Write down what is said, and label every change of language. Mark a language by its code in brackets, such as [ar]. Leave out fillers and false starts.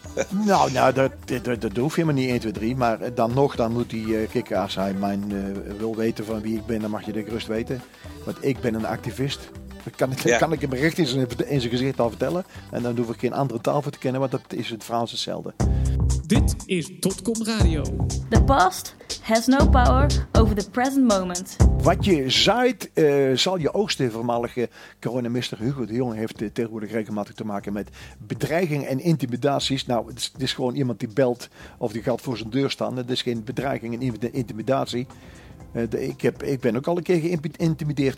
[nl] Nou, dat hoef je helemaal niet 1, 2, 3. Maar dan nog, dan moet die kikker, als hij mijn wil weten van wie ik ben, dan mag je de gerust weten. Want ik ben een activist. Kan ik hem recht in zijn gezicht al vertellen. En dan hoef ik geen andere taal voor te kennen, want dat is het Frans hetzelfde. Dit is Dotcom Radio. [en] The past has no power over the present moment. [nl] Wat je zaait, zal je oogsten. Voormalige coronamister Hugo de Jonge heeft tegenwoordig regelmatig te maken met bedreiging en intimidaties. Nou, het is gewoon iemand die belt of die gaat voor zijn deur staan. Het is geen bedreiging en intimidatie. Ik ben ook al een keer geïntimideerd.